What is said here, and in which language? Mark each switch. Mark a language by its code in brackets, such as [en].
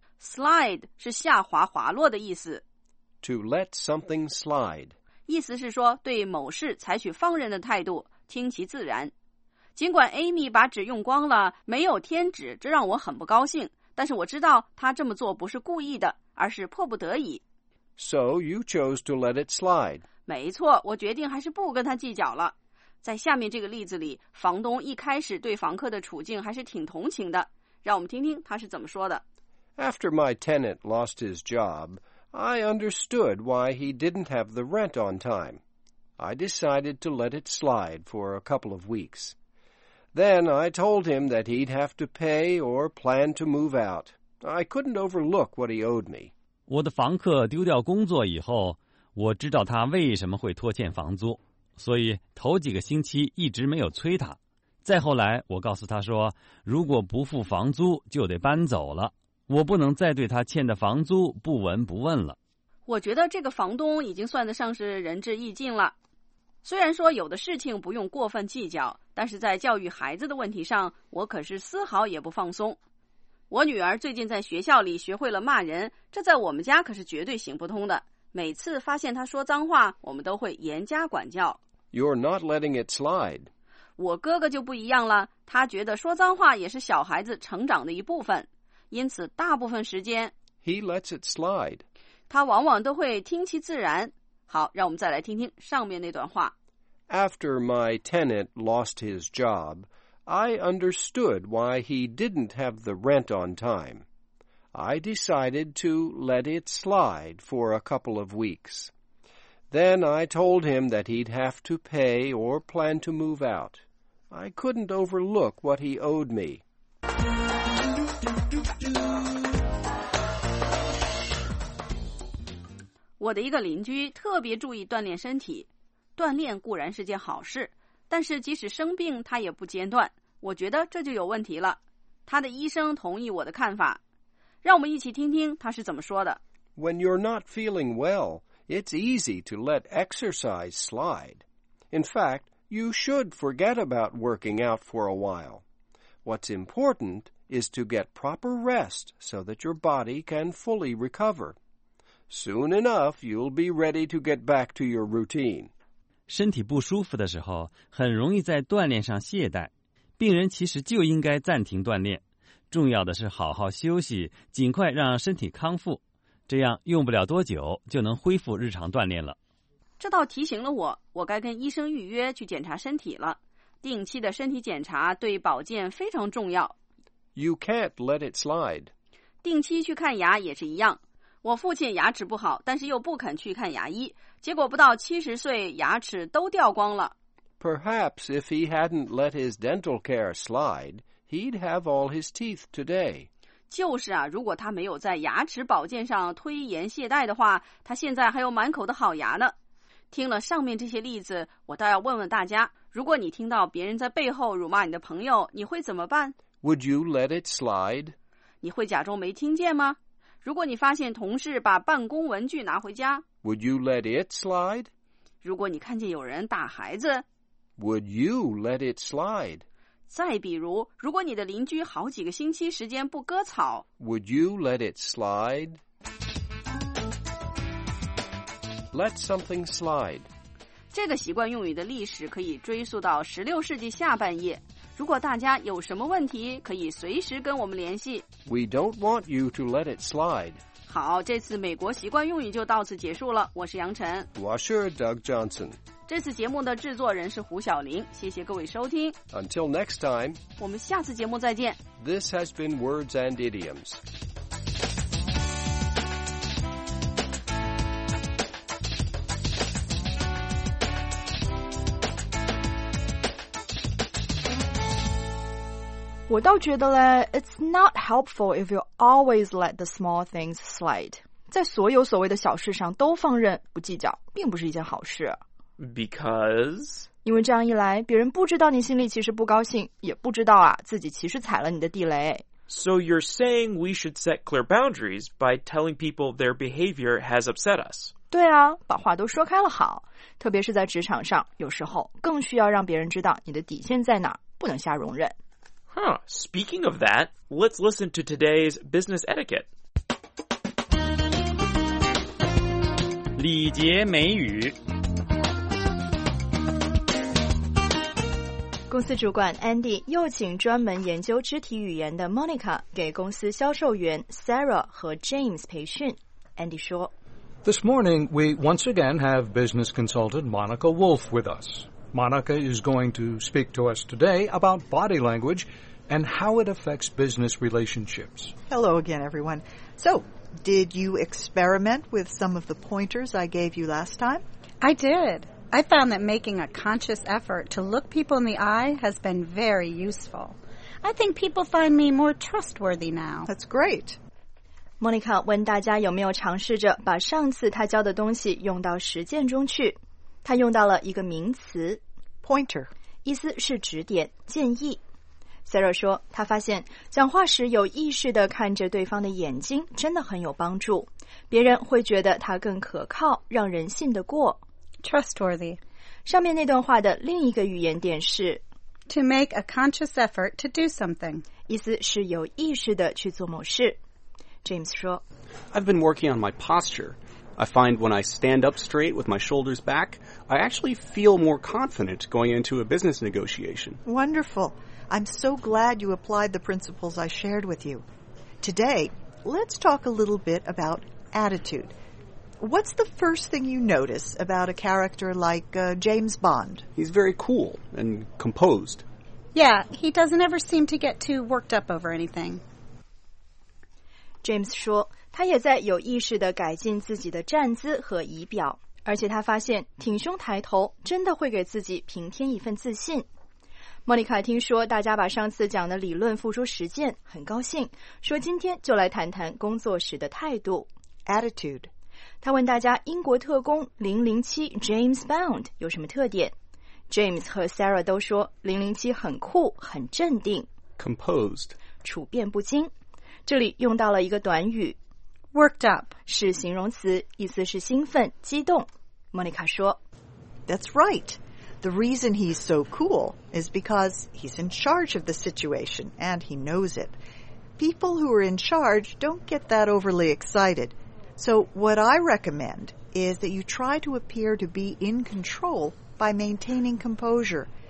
[zh] Slide 是下滑滑落的意思。 [en] To let something slide. [zh] 意思是说对某事采取放任的态度，听其自然。尽管 Amy 把纸用光了，没有添纸，这让我很不高兴，但是我知道她这么做不是故意的，而是迫不得已。 [en] So you chose to let it slide. [zh] 没错，我决定还是不跟她计较了。在下面这个例子里，房东一开始对房客的处境还是挺同情的，让我们听听他是怎么说的。 [en] After my tenant lost his job,I understood why he didn't have the rent on time. I decided to let it slide for a couple of weeks. Then I told him that he'd have to pay or plan to move out. I couldn't overlook what he owed me. [zh] 我的房客丢掉工作以后，我知道他为什么会拖欠房租，所以头几个星期一直没有催他。再后来，我告诉他说，如果不付房租，就得搬走了。我不能再对他欠的房租不闻不问了。我觉得这个房东已经算得上是仁至义尽了。虽然说有的事情不用过分计较，但是在教育孩子的问题上，我可是丝毫也不放松。我女儿最近在学校里学会了骂人，这在我们家可是绝对行不通的。每次发现她说脏话，我们都会严加管教。 [en] You're not letting it slide. [zh] 我哥哥就不一样了，他觉得说脏话也是小孩子成长的一部分。因此大部分时间 [en] He lets it slide. [zh] 他往往都会听其自然。好，让我们再来听听上面那段话。 [en] After my tenant lost his job, I understood why he didn't have the rent on time. I decided to let it slide for a couple of weeks. Then I told him that he'd have to pay or plan to move out. I couldn't overlook what he owed me. [zh] 我的一个邻居特别注意锻炼身体，锻炼固然是件好事，但是即使生病他也不间断，我觉得这就有问题了。他的医生同意我的看法，让我们一起听听他是怎么说的。 [en] When you're not feeling well, it's easy to let exercise slide. In fact, you should forget about working out for a while. What's important is to get proper rest so that your body can fully recover. Soon enough, you'll be ready to get back to your routine. [zh] 身体不舒服的时候，很容易在锻炼上懈怠。病人其实就应该暂停锻炼。重要的是好好休息，尽快让身体康复。这样用不了多久，就能恢复日常锻炼了。这倒提醒了我，我该跟医生预约去检查身体了。定期的身体检查对保健非常重要。 [en] You can't let it slide. [zh] 定期去看牙也是一样。我父亲牙齿不好，但是又不肯去看牙医，结果不到70岁，牙齿都掉光了。 [en] Perhaps if he hadn't let his dental care slide, he'd have all his teeth today. [zh] 就是啊，如果他没有在牙齿保健上推延懈怠的话，他现在还有满口的好牙呢。听了上面这些例子，我倒要问问大家，如果你听到别人在背后辱骂你的朋友，你会怎么办？ [en] Would you let it slide? [zh] 你会假装没听见吗？如果你发现同事把办公文具拿回家 [en] ，Would you let it slide？ [zh] 如果你看见有人打孩子 [en] ，Would you let it slide？ [zh] 再比如，如果你的邻居好几个星期时间不割草 [en] ，Would you let it slide？ Let something slide。 [zh] 这个习惯用语的历史可以追溯到16世纪下半叶。如果大家有什么问题，可以随时跟我们联系。 [en] We don't want you to let it slide. [zh] 好，这次美国习惯用语就到此结束了。我是杨晨。 [en] Washer Doug Johnson. [zh] 这次节目的制作人是胡晓玲。谢谢各位收听。 [en] Until next time. [zh] 我们下次节目再见。 [en] This has been Words and Idioms. It's not helpful if you always let the small things slide. [zh] 在所有所谓的小事上都放任不计较并不是一件好事。 [en] Because? [zh] 因为这样一来别人不知道你心里其实不高兴也不知道啊自己其实踩了你的地雷。 [en] So you're saying we should set clear boundaries by telling people their behavior has upset us. [zh] 对啊把话都说开了好。特别是在职场上有时候更需要让别人知道你的底线在哪不能瞎容忍。 [en] Huh, speaking of that, let's listen to today's business etiquette. [zh] 礼节美语。公司主管 Andy 又请专门研究肢体语言的 Monica 给公司销售员 Sarah 和 James 培训。 Andy 说 [en] This morning, we once again have business consultant Monica Wolf with us. Monica is going to speak to us today about body language,and how it affects business relationships. Hello again, everyone. So, did you experiment with some of the pointers I gave you last time? I did. I found that making a conscious effort to look people in the eye has been very useful. I think people find me more trustworthy now. That's great. [zh] Monica 问大家有没有尝试着把上次她教的东西用到实践中去。她用到了一个名词 [en] Pointer. [zh] 意思是指点、建议。 Sarah 说他发现讲话时有意识地看着对方的眼睛真的很有帮助别人会觉得他更可靠让人信得过 [en] Trustworthy [zh] 上面那段话的另一个语言点是 [en] To make a conscious effort to do something [zh] 意思是有意识地去做某事 James 说 [en] I've been working on my posture I find when I stand up straight with my shoulders back I actually feel more confident going into a business negotiation Wonderful I'm so glad you applied the principles I shared with you. Today, let's talk a little bit about attitude. What's the first thing you notice about a character like James Bond? He's very cool and composed. Yeah, he doesn't ever seem to get too worked up over anything. [zh] James 说，他也在有意识地改进自己的站姿和仪表，而且他发现挺胸抬头真的会给自己平添一份自信。莫妮卡听说大家把上次讲的理论付诸实践，很高兴，说今天就来谈谈工作时的态度 [en] Attitude。 [zh] 他问大家英国特工007 James Bond 有什么特点。 James 和 Sarah 都说007很酷，很镇定 [en] Composed， [zh] 处变不惊。这里用到了一个短语 [en] Worked up， [zh] 是形容词，意思是兴奋激动。莫妮卡说 [en] That's rightThe reason he's so cool is because he's in charge of the situation and he knows it. People who are in charge don't get that overly excited. So what I recommend is that you try to appear to be in control by maintaining composure.